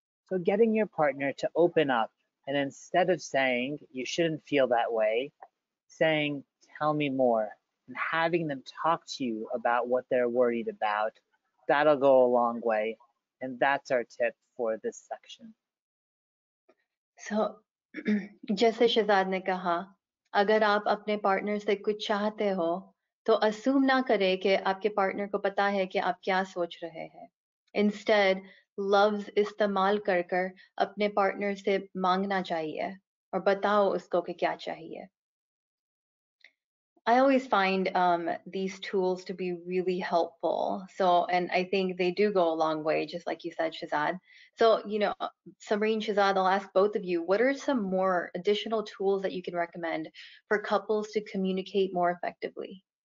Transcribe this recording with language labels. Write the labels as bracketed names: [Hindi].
[English] So getting your partner to open up, and instead of saying, you shouldn't feel that way, saying, tell me more, and having them talk to you about what they're worried about, that'll go a long way. And that's our tip for this section. [Urdu] سو، جیسے شہزاد نے کہا، اگر آپ اپنے partner سے کچھ چاہتے ہو، تو اسیوم نہ کرے کہ آپکے پارٹنر کو پتا ہے کہ آپ کیا سوچ رہے ہے۔ Instead, loves استعمال کر کر اپنے partner سے مانگنا چاہیے اور بتاؤ اس کو کہ کیا چاہیے۔ [English] I always find these tools to be really helpful. So, and I think they do go a long way, just like you said, Shahzad. So, you know, Samreen, Shahzad, I'll ask both of you, what are some more additional tools that you can recommend for couples to communicate more effectively?